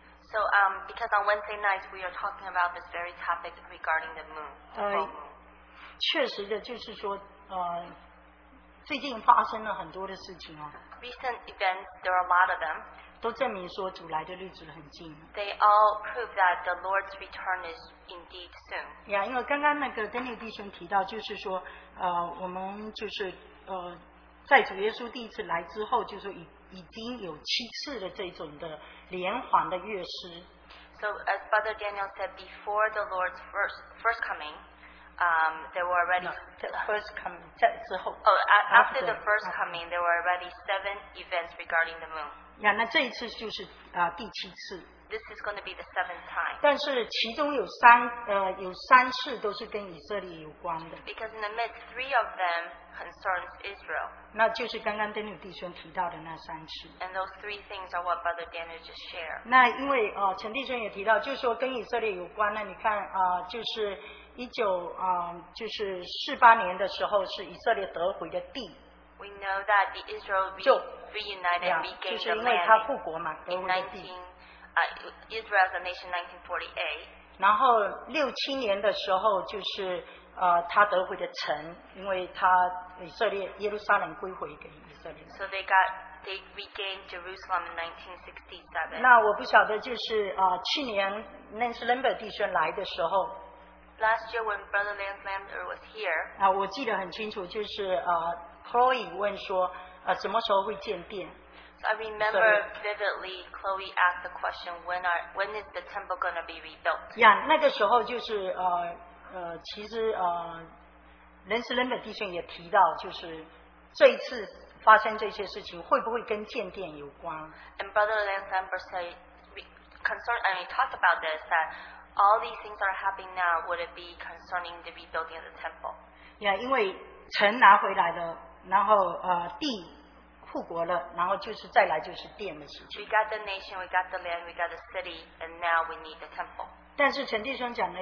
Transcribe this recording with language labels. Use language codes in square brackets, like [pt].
[en] So because on Wednesday night we are talking about this very topic regarding the moon. [zh] 确实的就是说, 最近发生了很多的事情哦。 [en] Recent events, there are a lot of them. [zh] 都证明说主来的日子很近. [en] They all prove that the Lord's return is indeed soon. [zh] Yeah, 因为刚刚那个Daniel弟兄提到，就是说, 我们就是, 在主耶稣第一次来之后，就是已经有七次的这种的连环的月食. [en] So as Brother Daniel said, before the Lord's first coming, there were already after the first coming, there were already 7 events regarding the moon. [zh] Yeah, 那这一次就是, 第七次. [en] This is going to be the 7th time. [zh] 但是其中有三, 有三次都是跟以色列有关的. [en] Because in the midst, 3 of them concerns Israel. [zh] 那就是刚刚Daniel弟兄提到的那三次. [en] And those 3 things are what Brother Daniel just shared. [zh] 那因为, 陈弟兄也提到, 就是说跟以色列有关的, 你看, 就是, 1948年的时候是以色列得回的地, [en] we know that the Israel reunited and regained the land in 19, Israel as a nation 1948. [zh] 然后67年的时候就是, 他得回的城, 因为他以色列耶路撒冷归回给以色列, [en] so they regained Jerusalem in 1967. [zh] 那我不晓得就是, 去年 Nancy Lambert弟兄来的时候, [en] last year when Brother Lance Lambert was here. [zh] 我记得很清楚，就是 Chloe 问说， 什么时候会建殿？ [en] So I remember vividly Chloe asked the question, when is the temple going to be rebuilt? [zh] Yeah, 那个时候就是 其实 Lance Lambert 弟兄也提到就是 这一次 发生这些事情会不会跟建殿有关？ [en] And Brother Lance Lambert said, concerned, and he talked about this, that all these things are happening now, would it be concerning the rebuilding of the temple? [zh] Yeah, 因为城拿回来了，然后地复国了，然后就是再来就是殿的事情。 [en] We got the nation, we got the land, we got the city, and now we need the temple.